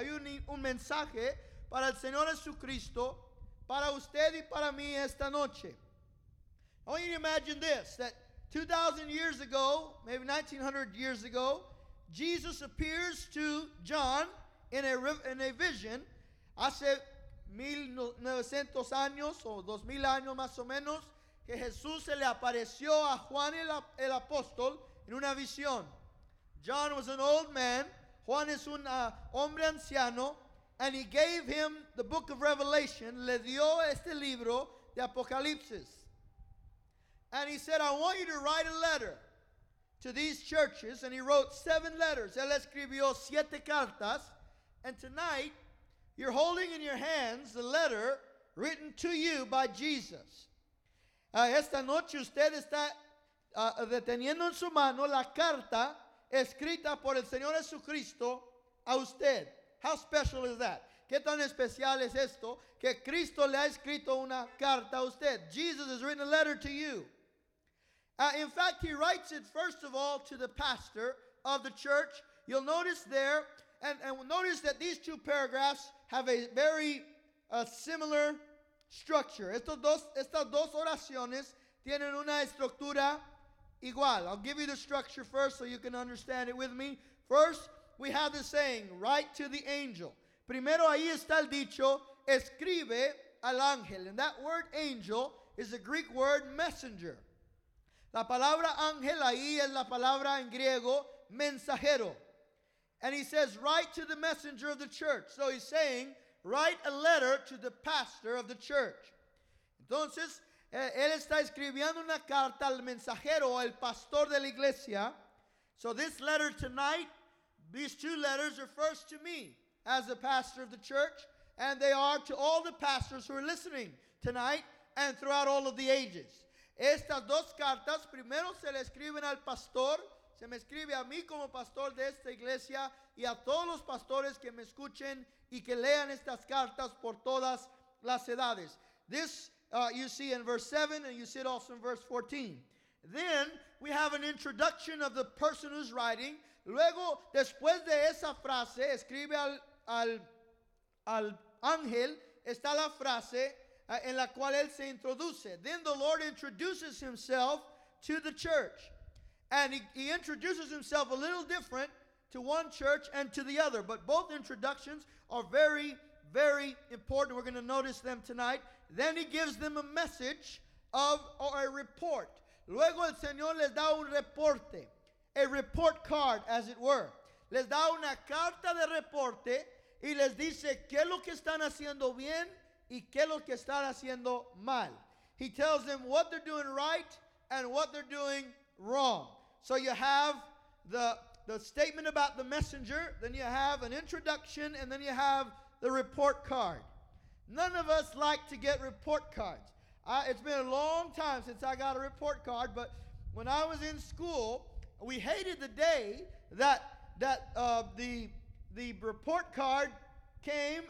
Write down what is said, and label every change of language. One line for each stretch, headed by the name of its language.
Spanish: Hay un mensaje para el Señor Jesucristo para usted y para mí esta noche.
English: I want you to imagine this, that 2,000 years ago, maybe 1,900 years ago, Jesus appears to John in a vision.
Spanish: Hace 1,900 años o 2,000 años más o menos que Jesús se le apareció a Juan el apóstol en una visión.
English: John was an old man.
Spanish: Juan es un hombre anciano.
English: And he gave him the book of Revelation.
Spanish: Le dio este libro de Apocalipsis.
English: And he said, I want you to write a letter to these churches. And he wrote seven letters.
Spanish: Él escribió siete cartas.
English: And tonight, you're holding in your hands the letter written to you by Jesus.
Spanish: Esta noche usted está deteniendo en su mano la carta escrita por el Señor Jesucristo a usted.
English: How special is that?
Spanish: ¿Qué tan especial es esto? Que Cristo le ha escrito una carta a usted.
English: Jesus has written a letter to you. In fact, he writes it, first of all, to the pastor of the church. You'll notice there, and notice that these two paragraphs have a very similar structure.
Spanish: Estas dos oraciones tienen una estructura igual.
English: I'll give you the structure first so you can understand it with me. First, we have the saying, write to the angel.
Spanish: Primero, ahí está el dicho, escribe al ángel.
English: And that word angel is the Greek word messenger.
Spanish: La palabra ángel ahí es la palabra en griego, mensajero.
English: And he says, write to the messenger of the church. So he's saying, write a letter to the pastor of the church.
Spanish: Entonces, él está escribiendo una carta al mensajero, al pastor de la iglesia.
English: So this letter tonight, these two letters are first to me as the pastor of the church. And they are to all the pastors who are listening tonight and throughout all of the ages.
Spanish: Estas dos cartas, primero se le escriben al pastor, se me escribe a mí como pastor de esta iglesia y a todos los pastores que me escuchen y que lean estas cartas por todas las edades.
English: This you see in verse 7 and you see it also in verse 14. Then we have an introduction of the person who's writing.
Spanish: Luego, después de esa frase, escribe al ángel, está la frase en la cual él se introduce.
English: Then the Lord introduces himself to the church. And he introduces himself a little different to one church and to the other. But both introductions are very, very important. We're going to notice them tonight. Then he gives them a message of or a report.
Spanish: Luego el Señor les da un reporte,
English: a report card, as it were.
Spanish: Les da una carta de reporte y les dice qué es lo que están haciendo bien y qué es lo que están haciendo mal.
English: He tells them what they're doing right and what they're doing wrong. So you have the statement about the messenger, then you have an introduction, and then you have the report card. None of us like to get report cards. It's been a long time since I got a report card, but when I was in school, we hated the day that the report card came.